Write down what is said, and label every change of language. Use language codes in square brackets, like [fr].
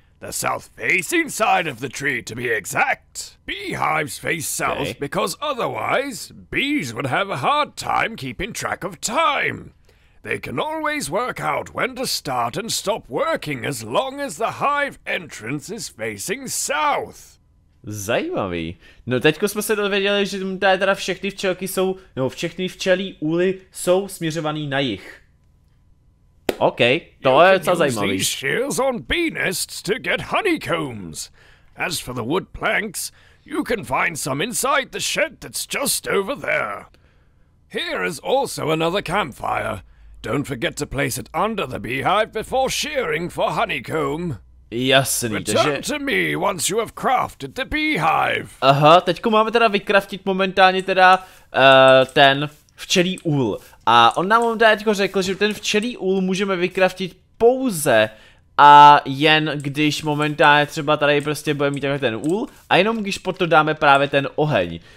[en] The south-facing side of the tree, to be exact. Beehives face south because otherwise, bees would have a hard time keeping track of time. They can always work out when to start and stop working as long as the hive entrance is facing south. [cs] Zajímavý. No teďko jsme se dozvěděli, že teda všechny včelky jsou, nebo všechny včelí úly jsou směřovaný na jih. Okay, to je co zajímavý. [en] You can use these shears on bee nests to get honeycombs. As for the wood planks, you can find some inside the shed that's just over there. Here is also another campfire. Don't forget to place it under the beehive before shearing for honeycomb. [cs] Jasný, takže... [en] Return to me once you have crafted the beehive. [cs] Aha, teďko máme teda vycraftit momentálně teda ten včelí úl. A on nám teďko řekl, že ten včelí úl můžeme vycraftit pouze a jen když momentálně třeba tady prostě budeme mít ten úl a jenom když pod to dáme právě ten oheň.